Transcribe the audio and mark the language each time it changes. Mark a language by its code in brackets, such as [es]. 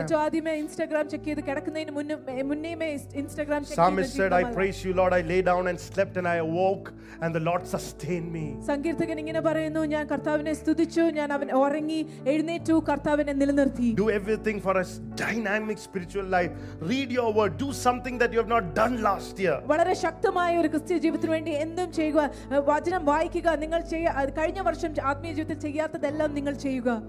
[ml] ഇതോ ആദ്യമേ Instagram check ചെയ്ത് കിടക്കുന്നതിന് മുന്നേമേ ഇൻസ്റ്റാഗ്രാം ചെക്ക് ചെയ്യുക. [en] Psalmist said, I praise you Lord, I lay down and slept and I awoke and the Lord sustained me. [ml] സംഗീതകൻ ഇങ്ങനെ പറയുന്നു, ഞാൻ കർത്താവിനെ സ്തുതിച്ചു, ഞാൻ അവൻ ഉറങ്ങി എഴുന്നേറ്റു, കർത്താവിനെ നിലനിർത്തി. [en] Do everything for a dynamic spiritual life. Read your word, do something that you have not done last year. [ml] വളരെ ശക്തമായ ഒരു ക്രിസ്ത്യൻ ജീവിതത്തിന് വേണ്ടി എന്തും ചെയ്യുക. വചനം വായിക്കുക. നിങ്ങൾ കഴിഞ്ഞ വർഷം ആത്മീയ ജീവിതത്തിൽ ചെയ്യാത്തതെല്ലാം നിങ്ങൾ ചെയ്യുക.